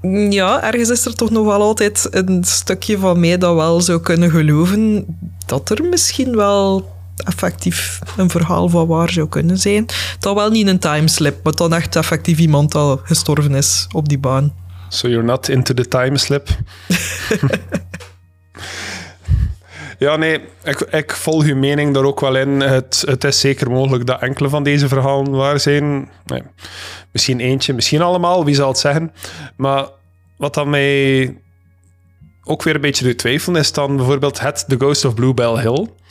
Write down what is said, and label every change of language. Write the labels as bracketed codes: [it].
[nl] Ja, ergens is er toch nog wel altijd een stukje van mij dat wel zou kunnen geloven dat er misschien wel... effectief een verhaal van waar zou kunnen zijn. Dan wel niet een timeslip, maar dan echt effectief iemand al gestorven is op die baan. [en] So you're not into the timeslip? [nl] ik volg uw mening daar ook wel in. Het is zeker mogelijk dat enkele van deze verhalen waar zijn. Nee, misschien eentje, misschien allemaal, wie zal het zeggen. Maar wat dan mij ook weer een beetje doet twijfelen, is dan bijvoorbeeld het The Ghost of Bluebell Hill.